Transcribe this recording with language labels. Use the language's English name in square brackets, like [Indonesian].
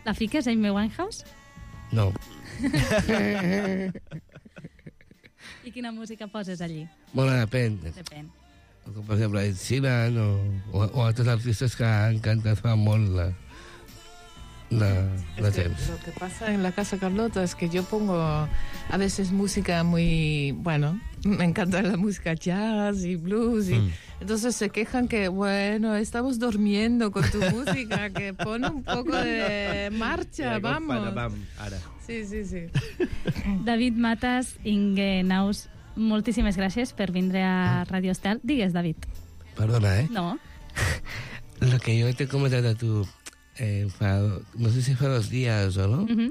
[Catalan] La fiques a Amy Winehouse? No. I quina música poses allí? Bueno, depèn. Depèn. Com, per exemple, Ed Sheeran o altres artistes que han cantat fa molt la temps. [Spanish] Lo que pasa en la Casa Carlota es que yo pongo a veces música muy... Bueno, me encanta la música jazz y blues y... Entonces se quejan que, bueno, estamos durmiendo con tu música, que pone un poco de marcha, vamos. Sí. [Catalan] David Matas, Inge Naus, moltíssimes gràcies per vindre a Radio Estel. Digues, David. Perdona, eh? No. [Spanish] Lo que yo te he comentado a tu, no sé si fa dos días o no,